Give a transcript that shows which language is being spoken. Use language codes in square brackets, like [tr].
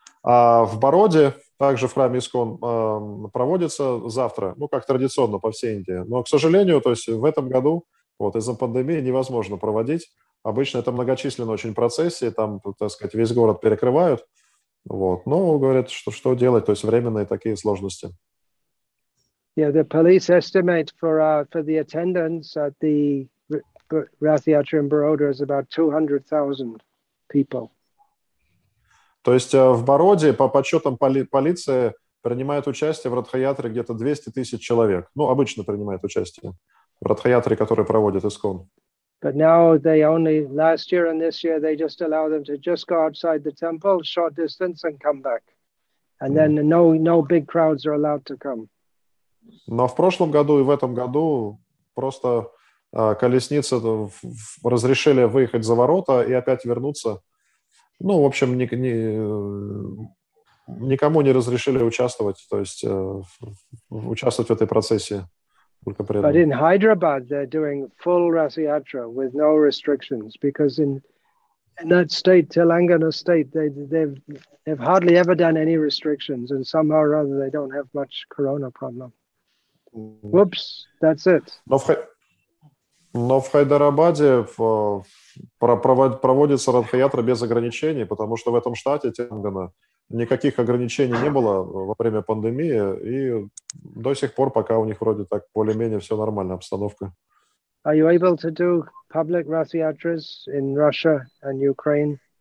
[ru] А в Бароде, также в храме Искон, проводится завтра, ну как традиционно по всей Индии. Но, к сожалению, то есть в этом году вот из-за пандемии невозможно проводить. Обычно это многочисленные очень процессии, там, так сказать, весь город перекрывают. Вот. Но говорят, что делать, то есть временные такие сложности. [en] Yeah, the police estimate for the attendance at the Rathiatra in Baroda is about 200,000 people. [ru] То есть в Бароде, по подсчетам полиции, принимает участие в Радхаятре где-то 200 тысяч человек. Ну, обычно принимает участие в Радхаятре, который проводит ИСКОН. [en] But now they only, last year and this year, they just allow them to just go outside the temple, short distance, and come back. And then no big crowds are allowed to come. [ru] Но в прошлом году и в этом году просто колесницы разрешили выехать за ворота и опять вернуться. Ну, в общем, никому не разрешили участвовать, то есть участвовать в этой процессии. [en] But in Hyderabad, they're doing full Rasiyatra with no restrictions because in that state, Telangana state, they've hardly ever done any restrictions, and somehow or other, they don't have much corona problem. Whoops, that's it. [ru] Но в Хайдарабаде проводится радхаятра без ограничений, потому что в этом штате Телангана никаких ограничений не было во время пандемии, и до сих пор пока у них вроде так более-менее все нормально, обстановка. [en] Are you able to do public radhayatras in Russia and Ukraine?